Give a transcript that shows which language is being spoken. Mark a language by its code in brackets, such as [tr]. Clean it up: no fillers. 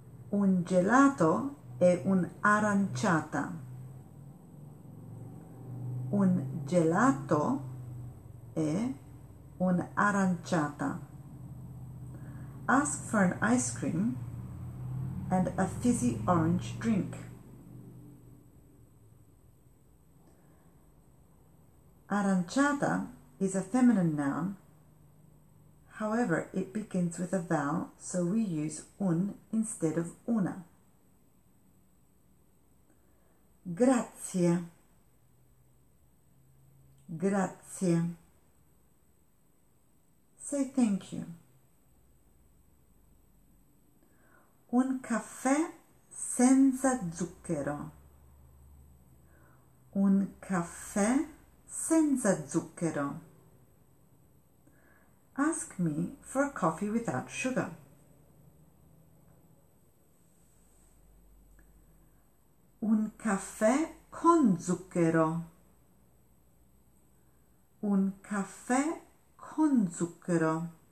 [it] Un gelato e un'aranciata. Un gelato e un'aranciata. [en] Ask for an ice cream and a fizzy orange drink. Aranciata is a feminine noun. However, it begins with a vowel, so we use un instead of una. [it] Grazie. Grazie. [en] Say thank you. [it] Un caffè senza zucchero. Un caffè senza zucchero. [en] Ask me for a coffee without sugar. [it] Un caffè con zucchero. Un caffè con zucchero.